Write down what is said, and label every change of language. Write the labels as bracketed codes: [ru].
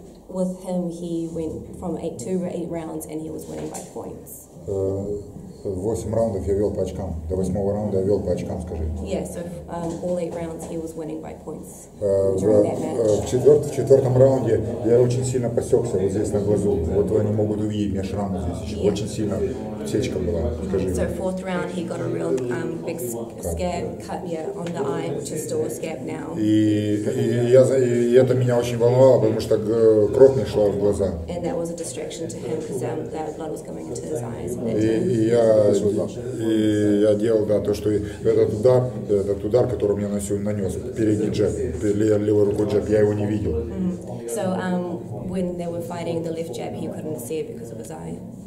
[en] With him, he went from eight rounds, and he was winning by points. [ru] Восемь раундов я вел по очкам. До восьмого раунда я вел по очкам, скажи. [en] Yeah, so all eight rounds he was winning by points. [ru] В четвертом раунде я очень сильно посекся вот здесь на глазу. Вот они могут увидеть меня шрам здесь. Еще. Yeah. Очень сильно сечка была, скажи. [en] So fourth round he got a real big scab cut on the eye, which is still a scab now. [ru] И это меня очень волновало, потому что кровь не шла в глаза. [en] And that was a distraction to him because that blood was coming into his eyes. [ru] Я делал, да, то, что этот удар, который мне нанес передний джеб, левый рукой джеб, я его не видел. [en] So, when they were fighting the left jab, he couldn't see it because of his eye.